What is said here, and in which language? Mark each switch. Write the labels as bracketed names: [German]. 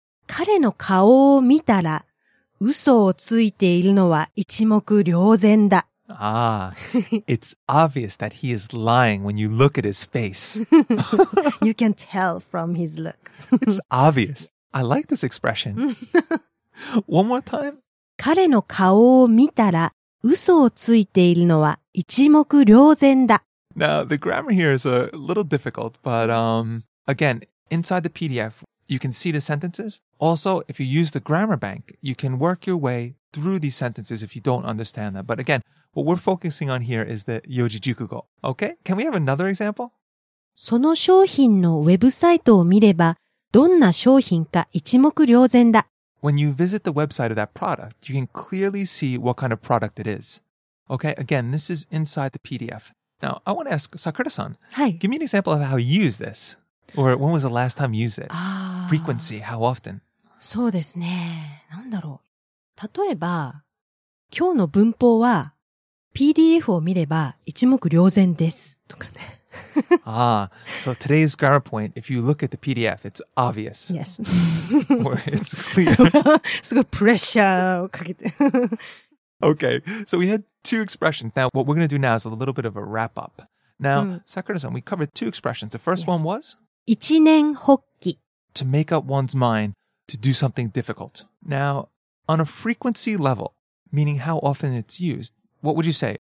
[Japanese] 彼の顔を見たら、嘘をついているのは一目瞭然だ。 [English] Ah, it's obvious that he is lying when you look at his face. You can tell from his look. It's obvious. I like this expression. One more time. [Japanese] 彼の顔を見たら嘘をついているのは一目瞭然だ。 [English] Now, the grammar here is a little difficult, but again, inside the PDF, you can see the sentences. Also, if you use the grammar bank, you can work your way through these sentences if you don't understand them. But again,What we're focusing on here is the 四字熟語. Okay? Can we have another example? [Japanese] その商品のウェブサイトを見れば、どんな商品か一目瞭然だ。 [English] When you visit the website of that product, you can clearly see what kind of product it is. Okay? Again, this is inside the PDF. Now, I want to ask Sakura-san. [Japanese] はい。 [English] Give me an example of how you use this. Or when was the last time you used it? あ Frequency, how often? [Japanese] そうですね。なんだろう。例えば、今日の文法は、PDF を見れば一目瞭然ですとかね。 [English] ah, so today's grammar point, if you look at the PDF, it's obvious. Yes. Or it's clear. [Japanese] すごいプレッシャーをかけて。 [English] okay, so we had two expressions. Now, what we're going to do now is a little bit of a wrap up. Now,Sakura-san, we covered two expressions. The first one was? [Japanese] 一年発起 [English] To make up one's mind to do something difficult. Now, on a frequency level, meaning how often it's used,What would you say?